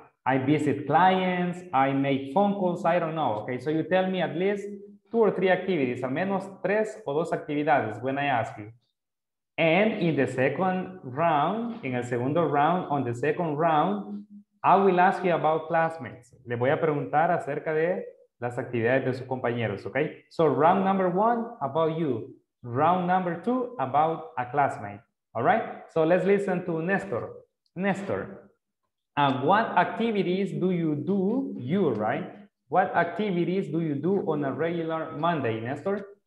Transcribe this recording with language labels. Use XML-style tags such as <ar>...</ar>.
<en>I visit clients, I make phone calls, I don't know. Okay, so you tell me at least two or three activities,</en> <es>al menos tres o dos actividades</es> <en>when I ask you. And in the second round, on the second round, I will ask you about classmates.</en> <es>Le voy a preguntar acerca de las actividades de sus compañeros, okay?</es> <en>So round number one, about you. Round number two, about a classmate, all right? So let's listen to Nestor. Nestor. What activities do you do, right? What activities do you do on a regular Monday, Nestor?</en>